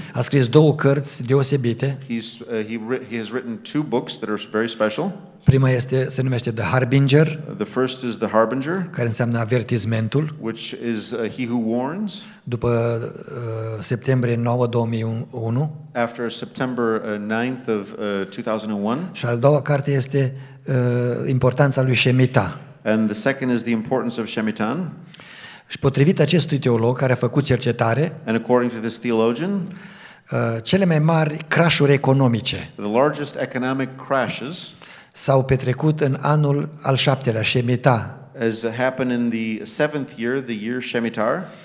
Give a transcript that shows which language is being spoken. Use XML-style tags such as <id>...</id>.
<ro>A scris două cărți deosebite.</ro> <en>He has written two books that are very special.</en> <ro>Prima este se numește The Harbinger.</ro> <en>The first is The Harbinger,</en> <ro>care înseamnă avertismentul.</ro> <en>Which is he who warns.</en> <ro>După septembrie 9, 2001.</ro> <en>After September 9th of 2001.</en> <ro>Și a doua carte este importanța lui Shemitah.</ro> <en>And the second is the importance of Shemitah.</en> <ro>Și potrivit acestui teolog care a făcut cercetare,</ro> <en>and according to this theologian,</en> <ro>cele mai mari crashuri economice.</ro> <en>The largest economic crashes.</en> <ro>S-au petrecut în anul al 7-lea, Shemitah.</ro> <en>As happened in the 7th year, the year Shemitar.</en>